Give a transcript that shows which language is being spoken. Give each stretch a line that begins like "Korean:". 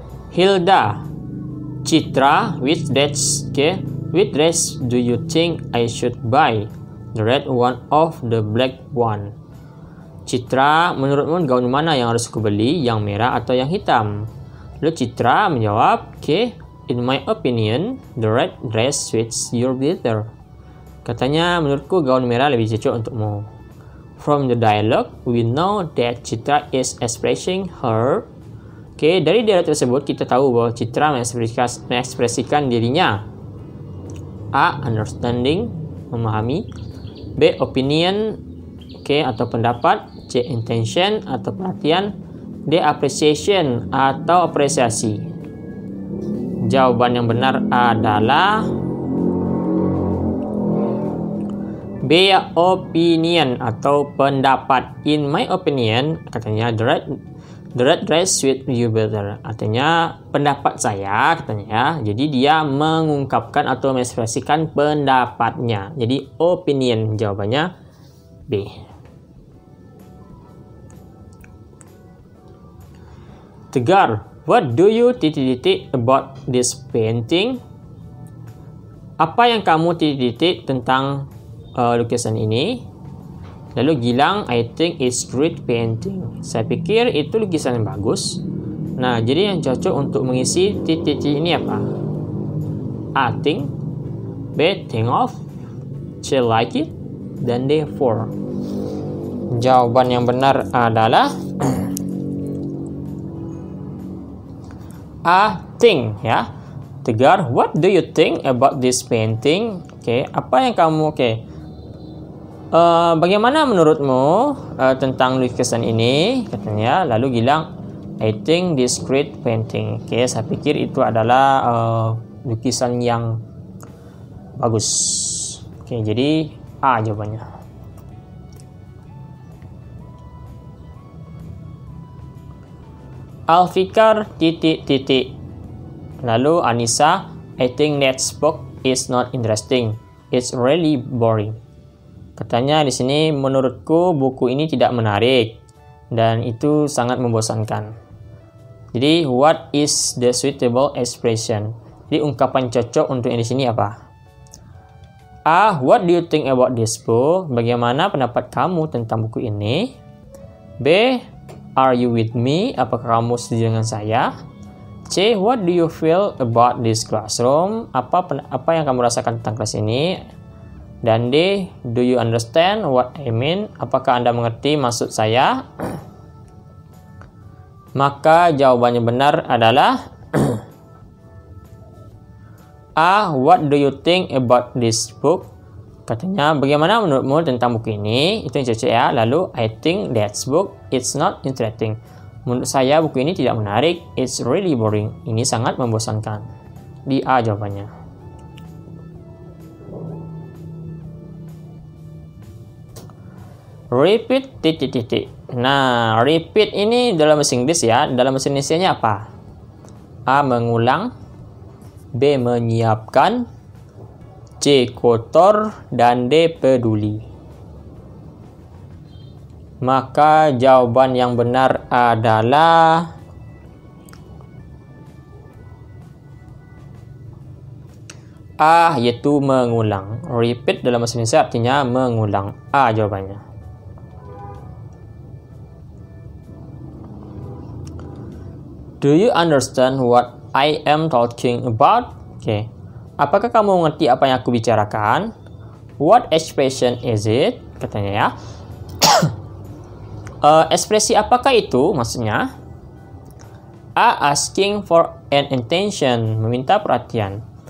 English: Hilda, Citra, which dress do you think I should buy? The red one or the black one?
Indonesian: Citra, menurutmu gaun mana yang harus aku beli, yang merah atau yang hitam? Lalu Citra menjawab,
English: okay, in my opinion, the red dress suits you better.
Indonesian: Katanya, menurutku gaun merah lebih cocok untukmu.
English: From the dialogue, we know that Citra is expressing her.
Indonesian: Okay, dari dialog tersebut kita tahu bahwa Citra mengekspresikan dirinya. A. Understanding, memahami. B. Opinion, atau pendapat. C. Intention atau perhatian. D. Appreciation atau apresiasi. Jawaban yang benar adalah B. Opinion atau pendapat.
English: In my opinion,
Indonesian: katanya
English: the red dress suit you better.
Indonesian: Artinya pendapat saya, katanya. Jadi dia mengungkapkan atau mengekspresikan pendapatnya. Jadi opinion jawabannya B.
English: Tegar, what do you
Indonesian: titik-titik
English: about this painting?
Indonesian: Apa yang kamu titik-titik tentang lukisan ini? Lalu Gilang,
English: I think it's great painting.
Indonesian: Saya pikir itu lukisan yang bagus. Nah, jadi yang cocok untuk mengisi titik-titik ini apa? A. Think. B. Think of. C. Like it. Dan D. For. Jawaban yang benar adalah A. Think, ya.
English: Tegar, what do you think about this painting?
Indonesian: Bagaimana menurutmu tentang lukisan ini? Katanya, lalu
English: Gilang, I think this great painting.
Indonesian: Saya pikir itu adalah lukisan yang bagus. Jadi A jawabannya. Alfikar titik-titik.
English: Lalu Anissa, I think that book is not interesting. It's really boring.
Indonesian: Katanya di sini, menurutku buku ini tidak menarik dan itu sangat membosankan. Jadi,
English: what is the suitable expression?
Indonesian: Jadi, ungkapan cocok untuk yang di sini apa? A.
English: What do you think about this book?
Indonesian: Bagaimana pendapat kamu tentang buku ini? B.
English: Are you with me?
Indonesian: Apakah kamu setuju dengan saya?
English: C. What do you feel about this classroom?
Indonesian: Apa yang kamu rasakan tentang kelas ini? Dan D.
English: Do you understand what I mean?
Indonesian: Apakah Anda mengerti maksud saya? Maka jawabannya benar adalah A.
English: What do you think about this book?
Indonesian: Katanya, bagaimana menurutmu tentang buku ini? Itu yang cocok, ya.
English: Lalu, I think that book is not interesting.
Indonesian: Menurut saya, buku ini tidak menarik.
English: It's really boring.
Indonesian: Ini sangat membosankan. Di A jawabannya. Repeat titik-titik. Nah, repeat ini dalam bahasa Inggris, ya. Dalam bahasa Indonesia-nya apa? A. Mengulang. B. Menyiapkan. C kotor dan D peduli. Maka jawaban yang benar adalah A, iaitu mengulang. Repeat dalam bahasa Indonesia artinya mengulang. A jawabannya.
English: Do you understand what I am talking about? Okay.
Indonesian: Apakah kamu mengerti apa yang aku bicarakan?
English: What expression is it?
Indonesian: Katanya ya. ekspresi apakah itu? Maksudnya A,
English: asking for an attention,
Indonesian: meminta perhatian.